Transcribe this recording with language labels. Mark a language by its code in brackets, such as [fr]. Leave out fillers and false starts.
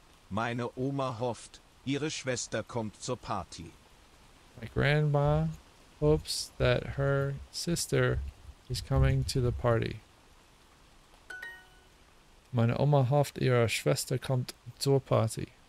[de] Meine Oma hofft, ihre Schwester kommt zur Party. [en] My grandma hopes that her sister is coming to the party. [de] Meine Oma hofft, ihre Schwester kommt zur Party.